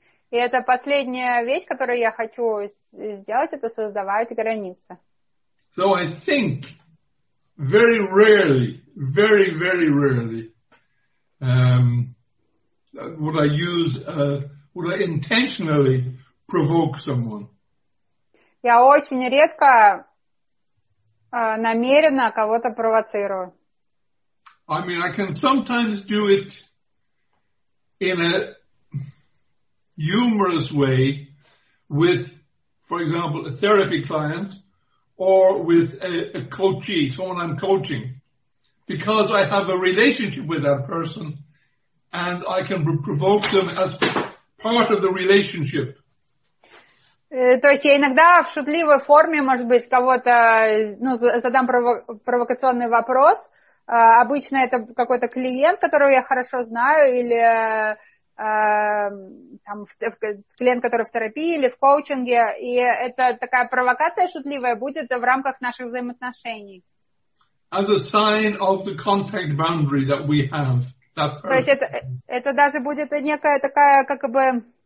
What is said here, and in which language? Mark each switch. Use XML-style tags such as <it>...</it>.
<ru>И это последняя вещь, которую я хочу сделать, это создавать границы.</ru> <en>So I think very rarely, very, very rarely, would I use, would I intentionally provoke someone.</en> <ru>Я очень редко намеренно кого-то провоцирую.</ru> <en>I mean, I can sometimes do it in a humorous way with, for example, a therapy client or with a coachee, someone I'm coaching, because I have a relationship with that person and I can provoke them as part of the relationship.</en> <ru>То есть я иногда в шутливой форме, может быть, кого-то, ну, задам провокационный вопрос. Обычно это какой-то клиент, которого я хорошо знаю, или там, клиент, который в терапии или в коучинге. И это такая провокация шутливая будет в рамках наших взаимоотношений.</ru> <en>As a sign of the contact boundary that we have. That</en> <ru>то есть это даже будет некая такая, как бы...</ru>